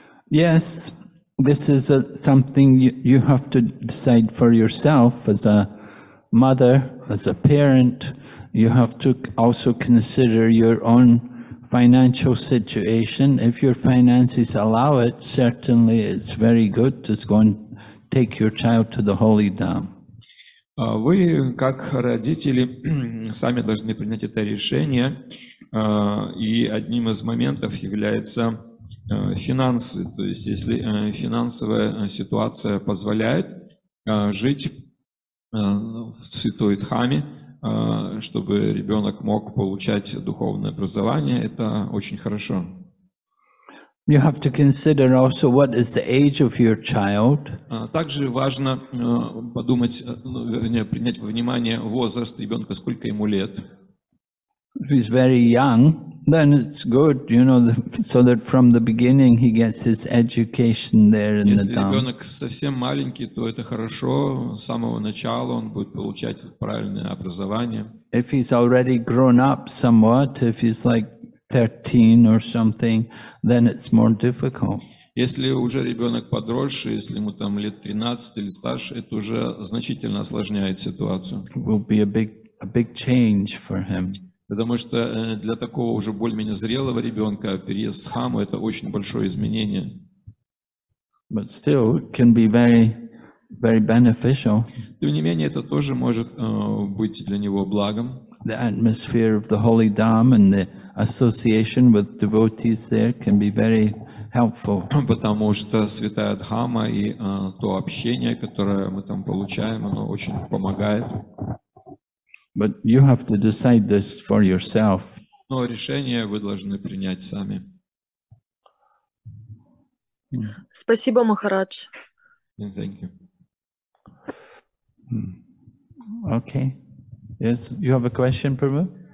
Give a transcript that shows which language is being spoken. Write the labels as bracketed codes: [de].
[en] Yes, this is something you have to decide for yourself as a mother, as a parent. You have to also consider your own financial situation. If your finances allow it, certainly it's very good to go and take your child to the holy dham. [ru] Вы, как родители, сами должны принять это решение, и одним из моментов является финансы. То есть, если финансовая ситуация позволяет жить в Святой Дхаме, чтобы ребенок мог получать духовное образование, это очень хорошо. [en] You have to consider also what is the age of your child. [ru] Также важно принять во внимание возраст ребенка, сколько ему лет. [en] If he's very young, then it's good, you know, so that from the beginning he gets his education there in the town. [ru] Если ребенок совсем маленький, то это хорошо, с самого начала он будет получать правильное образование. [en] If he's already grown up somewhat, if he's like 13 or something, then it's more difficult. [ru] Если уже ребенок подросший, если ему там лет 13 или старше, это уже значительно осложняет ситуацию. [en] It will be a big change for him. [ru] Потому что для такого уже более-менее зрелого ребенка переезд в Хаму — это очень большое изменение. [en] But still, it can be very, very beneficial. [ru] Тем не менее, это тоже может быть для него благом. [en] The atmosphere of the Holy Dham and the association with devotees there can be very helpful. [ru] Потому что святая Дхама и то общение, которое мы там получаем, оно очень помогает. [en] But you have to decide this for yourself. [ru] Но решение вы должны принять сами. Спасибо, Махарадж. [en] Thank you. Okay. Yes, you have a question, Prabhu?